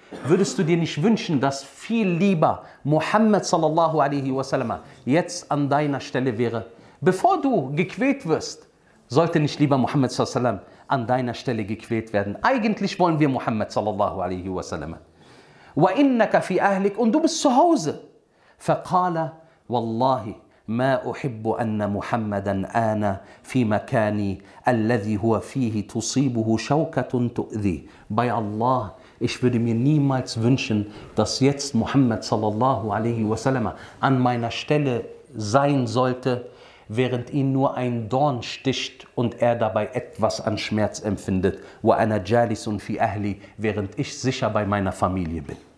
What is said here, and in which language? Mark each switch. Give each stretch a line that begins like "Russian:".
German: Würdest du dir nicht wünschen, dass viel lieber Muhammad sallallahu alaihi wasallam jetzt an deiner Stelle wäre? Bevor du gequält wirst, sollte nicht lieber Muhammad sallallahu alaihi wasallam an deiner Stelle gequält werden. Eigentlich wollen wir Muhammad sallallahu alaihi wasallam.
Arabic: وَإِنَّكَ فِي أَهْلِكَ.
German: Und du bist zu Hause.
Arabic: فَقَالَ وَاللَّهِ ما أحب أن محمدا آن في مكاني الذي هو فيه تصيبه شوكة تؤذي.
German: Bei Allah, ich würde mir niemals wünschen, dass jetzt Muhammad sallallahu alaihi wasallam an meiner Stelle sein sollte, während ihn nur ein Dorn sticht und er dabei etwas an Schmerz empfindet.
Arabic: وأنا جالس في أهلي,
German: während ich sicher bei meiner Familie bin.